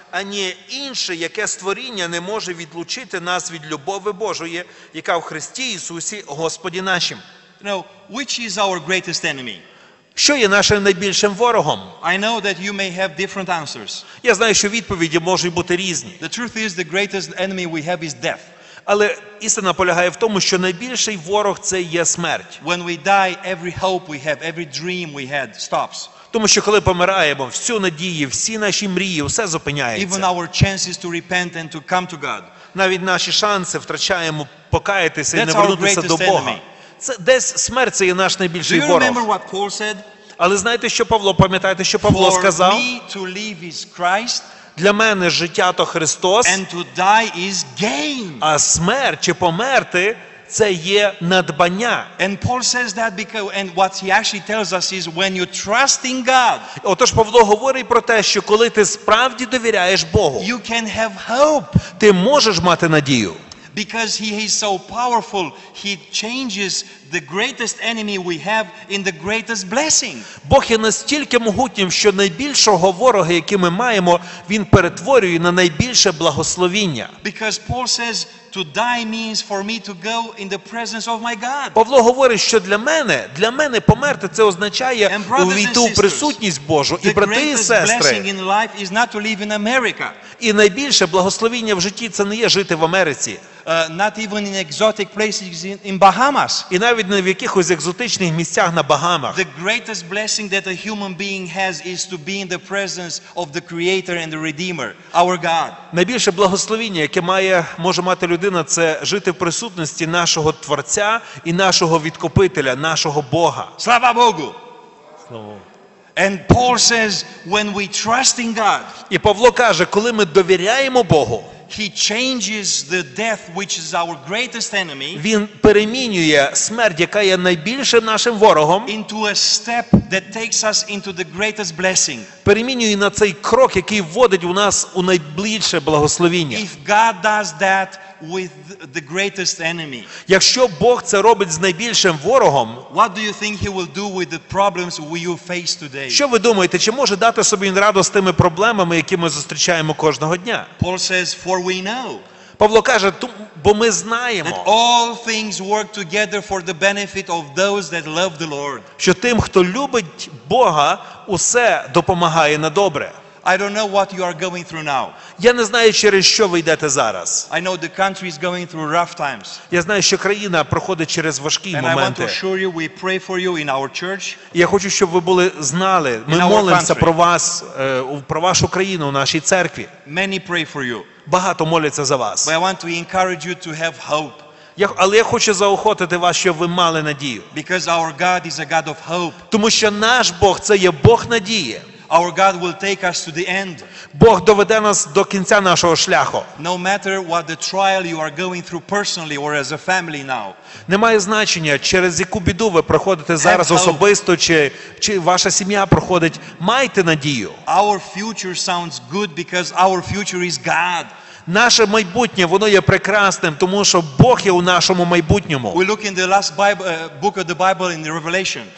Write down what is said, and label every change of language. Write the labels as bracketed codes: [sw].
[uk] Ані інше, яке створіння не може відлучити нас від любові Божої, яка в Христі Ісусі Господі нашим. [en] Now, which is our greatest enemy? [uk] Що є нашим найбільшим ворогом? [en] I know that you may have different answers. [uk] Я знаю, що відповіді можуть бути різні. [en] The truth is, the greatest enemy we have is death. [uk] Але істина полягає в тому, що найбільший ворог – це є смерть. [en] When we die, every hope we have, every dream we had stops. [uk] Тому що коли помираємо, всю надію, всі наші мрії, все зупиняється. [en] Even our chances to repent and to come to God. [uk] Навіть наші шанси втрачаємо покаятися і не вернутися до Бога. Це десь смерть – це є наш найбільший ворог. [en] Do you remember what Paul said? [uk] Але знаєте, що Павло, пам'ятаєте, що Павло сказав? [en] For me to live is Christ. [uk] Для мене життя – то Христос. [en] And to die is gain. [uk] А смерть чи померти – це є надбання. [en] And Paul says that because, and what he actually tells us is when you trust in God. [uk] Отож, Павло говорить про те, що коли ти справді довіряєш Богу, [en] you can have hope. [uk] Ти можеш мати надію. [en] Because he is so powerful, he changes the greatest enemy we have in the greatest blessing. [uk] Бог є настільки могутнім, що найбільшого ворога, який ми маємо, він перетворює на найбільше благословіння. [en] Because Paul says to die means for me to go in the presence of my God. [uk] Павло говорить, що для мене померти це означає увійти в присутність Божу. І брати і сестри, [en] the greatest blessing in life is not to live in America. [uk] І найбільше благословіння в житті це не є жити в Америці. [en] Not even in exotic places in Bahamas. [uk] І навіть не в якихось екзотичних місцях на Багамах. [en] The greatest blessing that a human being has is to be in the presence of the Creator and the Redeemer, our God. [uk] Найбільше благословення, яке може мати людина, це жити в присутності нашого Творця і нашого Відкупителя, нашого Бога. Слава Богу! Слава Богу! [en] And Paul says, when we trust in God, [uk] і Павло каже, коли ми довіряємо Богу, [en] he changes the death, which is our greatest enemy, [uk] він перемінює смерть, яка є найбільшим нашим ворогом, [en] into a step that takes us into the greatest blessing. [uk] Перемінює на цей крок, який вводить у нас у найбільше благословення. [en] If God does that with the greatest enemy, [uk] якщо Бог це робить з найбільшим ворогом, [en] what do you think he will do with the problems we face today? [uk] Що ви думаєте, чи може дати собі він раду з тими проблемами, які ми зустрічаємо кожного дня? [en] Paul says, for we know. [uk] Павло каже, бо ми знаємо, [en] that all things work together for the benefit of those that love the Lord. [uk] Що тим, хто любить Бога, усе допомагає на добре. [en] I don't know what you are going through now. [uk] Я не знаю, через що ви йдете зараз. [en] I know the country is going through rough times. [uk] Я знаю, що країна проходить через важкі моменти. [en] And I want to assure you, we pray for you in our church. [uk] Я хочу, щоб ви були знали, ми молимося про вас, про вашу країну, у нашій церкві. [en] Many pray for you. [uk] Багато моляться за вас. [en] But I want to encourage you to have hope. [uk] Але я хочу заохотити вас, щоб ви мали надію. [en] Because our God is a God of hope. [uk] Тому що наш Бог – це є Бог надії. [en] our God will take us to the end. [uk] Бог доведе нас до кінця нашого шляху. [en] No matter what the trial you are going through personally or as a family now. [uk] Немає значення, через яку біду ви проходите зараз особисто чи ваша сім'я проходить, майте надію. [en] Our future sounds good because our future is God. [uk] Наше майбутнє, воно є прекрасним, тому що Бог є у нашому майбутньому. [en] We look in the last Bible, book of the Bible in the Revelation.